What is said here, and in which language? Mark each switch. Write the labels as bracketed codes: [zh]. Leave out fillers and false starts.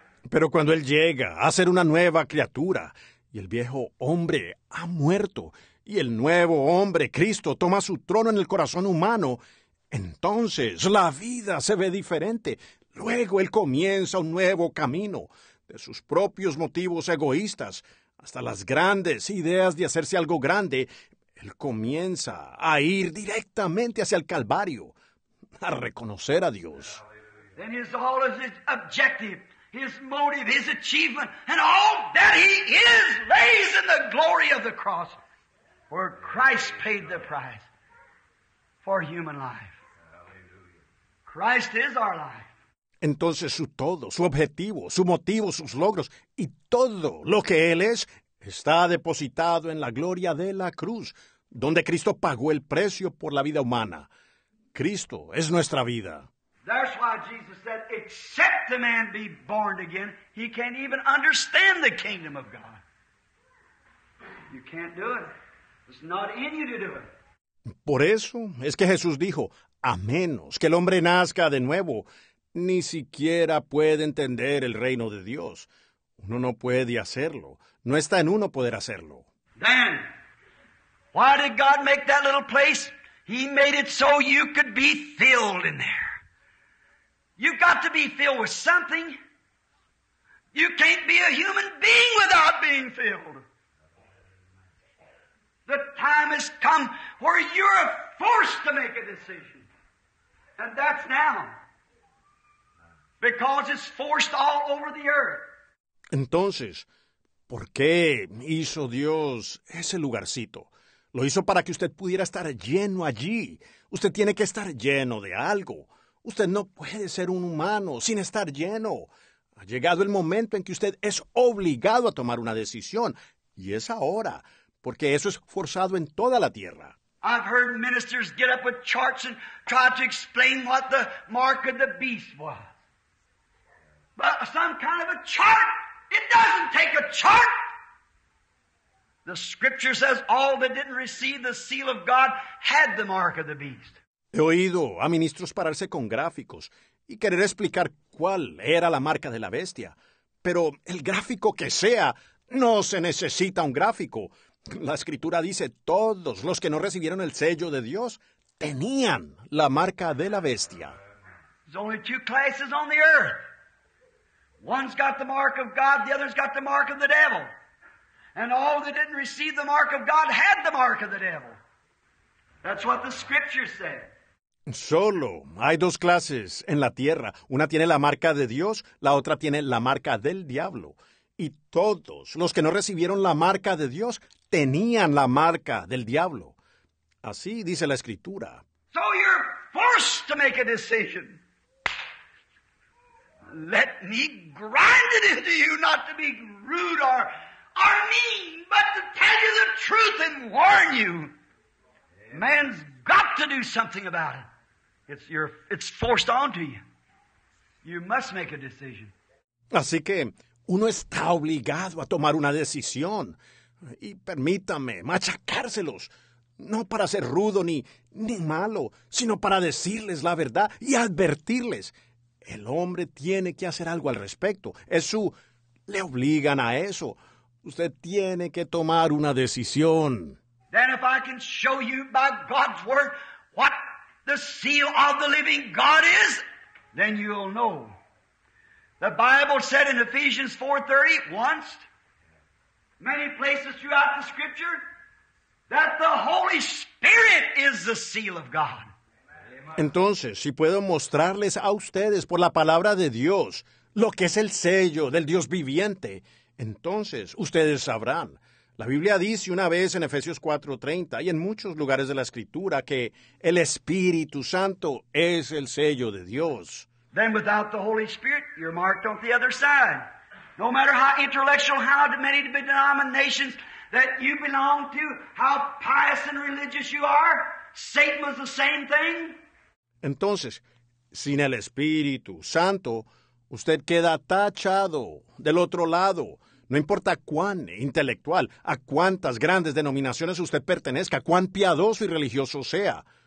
[es] Pero cuando él llega a ser una nueva criatura, y el viejo hombre ha muerto, y el nuevo hombre, Cristo, toma su trono en el corazón humano, entonces la vida se ve diferente. Luego él comienza un nuevo camino, de sus propios motivos egoístas, hasta las grandes ideas de hacerse algo grande, él comienza a ir directamente hacia el Calvario, a reconocer a Dios. [en] Then his all is his objective, his motive, his achievement, and all that he is lays in the glory of the cross, where Christ paid the price for human life. Christ is our life. [es] Entonces, su todo, su objetivo, su motivo, sus logros y todo lo que él es, está depositado en la gloria de la cruz, donde Cristo pagó el precio por la vida humana. Cristo es nuestra vida. [en] That's why Jesus said, except the man be born again, he can't even understand the kingdom of God. You can't do it. It's not in you to do it. [es] Por eso es que Jesús dijo, a menos que el hombre nazca de nuevo, ni siquiera puede entender el reino de Dios. Uno no puede hacerlo. No está en uno poder hacerlo. [en] Then, why did God make that little place? He made it so you could be filled in there. You've got to be filled with something. You can't be a human being without being filled. The time has come where you're forced to make a decision. And that's now. Because it's forced all over the earth. [es] Entonces, ¿por qué hizo Dios ese lugarcito? Lo hizo para que usted pudiera estar lleno allí. Usted tiene que estar lleno de algo. Usted no puede ser un humano sin estar lleno. Ha llegado el momento en que usted es obligado a tomar una decisión. Y es ahora. porque eso es forzado en toda la tierra. [en] I've heard ministers get up with charts and try to explain what the mark of the beast was. But some kind of a chart. It doesn't take a chart. The scripture says all that didn't receive the seal of God had the mark of the beast. [es] He oído a ministros pararse con gráficos y querer explicar cuál era la marca de la bestia. Pero el gráfico que sea, no se necesita un gráfico. La escritura dice, todos los que no recibieron el sello de Dios tenían la marca de la bestia. [en] There's only two classes on the earth. One's got the mark of God, the other's got the mark of the devil. And all that didn't receive the mark of God had the mark of the devil. That's what the scripture said. [es] Solo hay dos clases en la tierra. Una tiene la marca de Dios, la otra tiene la marca del diablo. Y todos los que no recibieron la marca de Dios tenían la marca del diablo. Así dice la Escritura. [en] So you're forced to make a decision. Let me grind it into you not to be rude or mean, but to tell you the truth and warn you. Man's got to do something about it. It's forced onto you. You must make a decision. [es] Así que uno está obligado a tomar una decisión. Y permítame machacárselos, no para ser rudo ni malo, sino para decirles la verdad y advertirles. El hombre tiene que hacer algo al respecto. Le obligan a eso. Usted tiene que tomar una decisión. [en] Then if I can show you by God's word what the seal of the living God is, then you'll know. The Bible said in Ephesians 4:30, once, many places throughout the scripture, that the Holy Spirit is the seal of God. [es] Entonces, si puedo mostrarles a ustedes por la palabra de Dios lo que es el sello del Dios viviente, entonces ustedes sabrán. La Biblia dice una vez en Efesios 4:30 y en muchos lugares de la Escritura que el Espíritu Santo es el sello de Dios. [en] Then without the Holy Spirit, you're marked on the other side. No matter how intellectual, how many denominations that you belong to, how pious and religious you are, Satan was the same thing. [es] Entonces, sin el Espíritu Santo, usted queda tachado del otro lado. No importa cuán intelectual, a cuántas grandes denominaciones usted pertenezca, cuán piadoso y religioso sea.